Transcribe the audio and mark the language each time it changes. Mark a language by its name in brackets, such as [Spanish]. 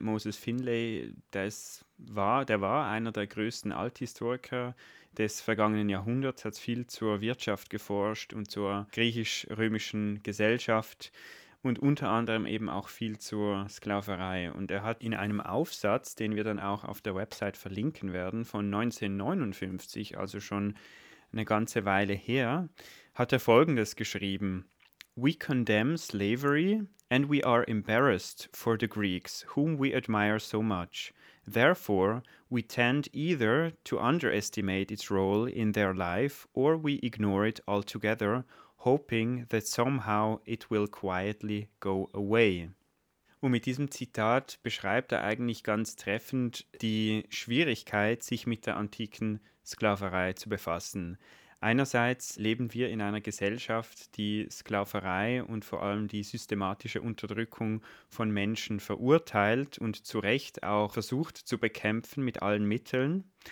[German] Moses Finlay, der war einer der größten Althistoriker des vergangenen Jahrhunderts, hat viel zur Wirtschaft geforscht und zur griechisch-römischen Gesellschaft und unter anderem eben auch viel zur Sklaverei. Und er hat in einem Aufsatz, den wir dann auch auf der Website verlinken werden, von 1959, also schon eine ganze Weile her, hat er Folgendes geschrieben. [English] We condemn slavery and we are embarrassed for the Greeks, whom we admire so much. Therefore, we tend either to underestimate its role in their life or we ignore it altogether, hoping that somehow it will quietly go away. [German] Und mit diesem Zitat beschreibt er eigentlich ganz treffend die Schwierigkeit, sich mit der antiken Sklaverei zu befassen. Einerseits leben wir in einer Gesellschaft, die Sklaverei und vor allem die systematische Unterdrückung von Menschen verurteilt und zu Recht auch versucht zu bekämpfen mit allen Mitteln.